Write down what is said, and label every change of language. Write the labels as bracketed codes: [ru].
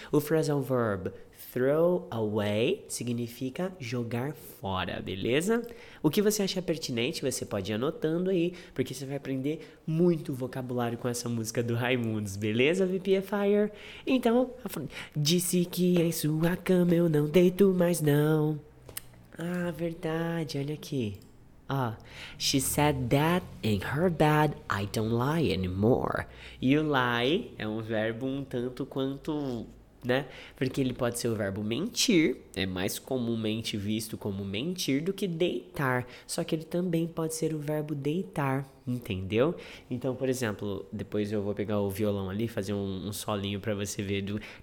[pt] O phrasal verb [en] throw away [pt] significa jogar fora, beleza? O que você acha pertinente, você pode ir anotando aí, porque você vai aprender muito vocabulário com essa música do Raimundos, beleza, VPFire? Então, disse que em sua cama eu não deito mais não. Ah, verdade, olha aqui. [en] She said that in her bed I don't lie anymore. [pt] E o lie é um verbo um tanto quanto, né? Porque ele pode ser o verbo mentir, é mais comumente visto como mentir do que deitar. Só que ele também pode ser o verbo deitar, entendeu? Então, por exemplo, depois eu vou pegar o violão ali e fazer um solinho pra você ver do...